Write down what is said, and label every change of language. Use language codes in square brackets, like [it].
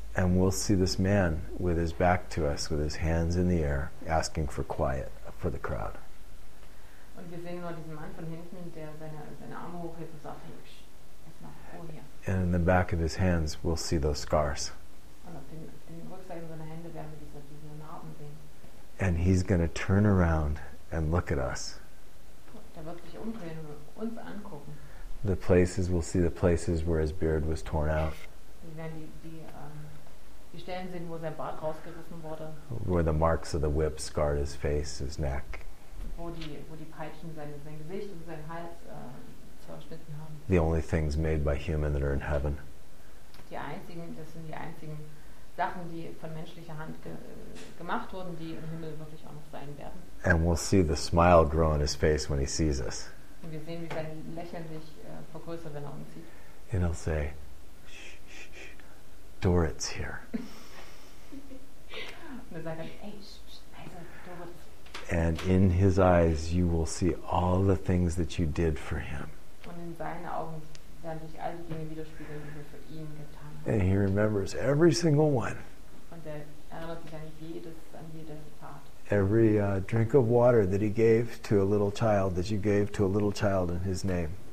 [en] And we'll see this man with his back to us, with his hands in the air, asking for quiet for the crowd. [de] Und wir sehen nur diesen Mann von hinten, der seine Arme hochhebt und sagt, hey, psch, lass mal Ruhe hier. [en] And in the back of his hands, we'll see those scars. [de] Und auf den Rückseiten seiner Hände werden wir diese Narben sehen. [en] And he's going to turn around and look at us. [de] Der wird sich umdrehen und uns angucken. [en] The places, we'll see the places where his beard was torn out. [de] Wir werden die die Stellen sehen, wo sein Bart rausgerissen wurde. [en] Where the marks of the whip scarred his face, his neck. [de] Wo die Peitschen sein Gesicht und seinen Hals zerschnitten haben. [en] The only things made by human that are in heaven. [de] Das sind die einzigen Sachen, die von menschlicher Hand gemacht wurden, die im Himmel wirklich auch noch sein werden. [en] And we'll see the smile grow on his face when he sees us. [de] Und wir sehen, wie sein Lächeln sich vergrößert, wenn er uns sieht. [en] And he'll say, shh, shh, shh, Dorit's here. [de] Und er sagt dann, hey, shh, leise, Dorit. [en] And in his eyes you will see all the things that you did for him. [de] Und in seinen Augen werden sich all die Dinge widerspiegeln, die wir für ihn getan haben. [en] And he remembers every single one. [de] Und er erinnert sich an jede Tat. [en] Every drink of water that he gave to a little child, that you gave to a little child in his name.